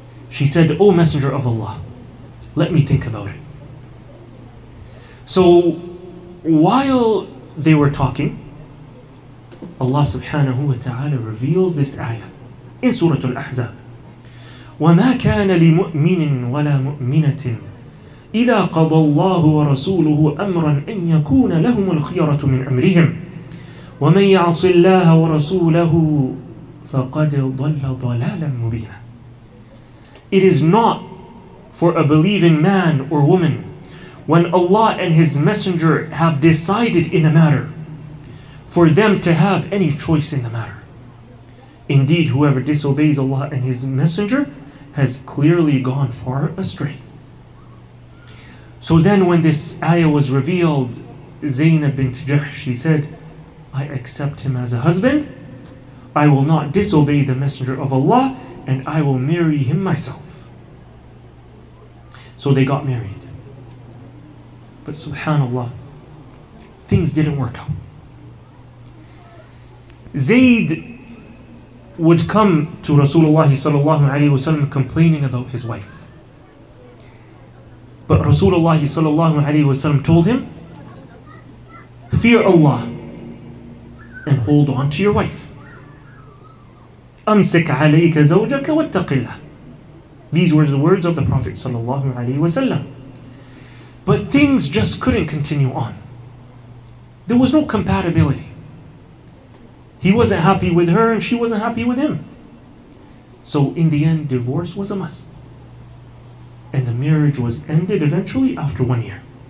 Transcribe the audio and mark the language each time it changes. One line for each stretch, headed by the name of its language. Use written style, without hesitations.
English: She said, "O Messenger of Allah, let me think about it." So while they were talking, Allah subhanahu wa ta'ala reveals this ayah in Surah Al-Ahzab.
Arabic: وَمَا كَانَ لِمُؤْمِنٍ وَلَا مُؤْمِنَةٍ إذا قضى الله ورسوله أمرا أن يكون لهم الخيرة من أمرهم ومن يعص الله ورسوله فقد ضل ضلالا مبينا.
English: It is not for a believing man or woman when Allah and His Messenger have decided in a matter for them to have any choice in the matter. Indeed, whoever disobeys Allah and His Messenger has clearly gone far astray. So then when this ayah was revealed, Zainab bint Jahsh, she said, I accept him as a husband. I will not disobey the Messenger of Allah, and I will marry him myself. So they got married. But subhanAllah, things didn't work out. Zayd would come to Rasulullah sallallahu alayhi wasallam complaining about his wife. But Rasulullah sallallahu alayhi wasallam told him, fear Allah and hold on to your wife.
Arabic: أمسك عليك زوجك واتق الله.
English: These were the words of the Prophet sallallahu alayhi wasallam. But things just couldn't continue on. There was no compatibility. He wasn't happy with her and she wasn't happy with him. So in the end, divorce was a must. And the marriage was ended eventually after 1 year.